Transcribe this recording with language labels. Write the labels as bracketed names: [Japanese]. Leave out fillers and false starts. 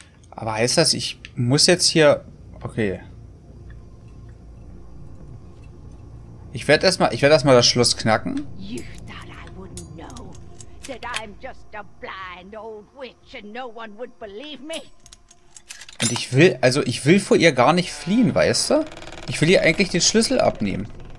[German] Aber heißt das, ich muss jetzt hier... Okay. Ich werde erstmal, das Schloss knacken. [English] You thought I wouldn't know that I'm just a blind old witch and no one would believe me. [German] Und ich will, also ich will vor ihr gar nicht fliehen, weißt du? Ich will ihr eigentlich den Schlüssel abnehmen.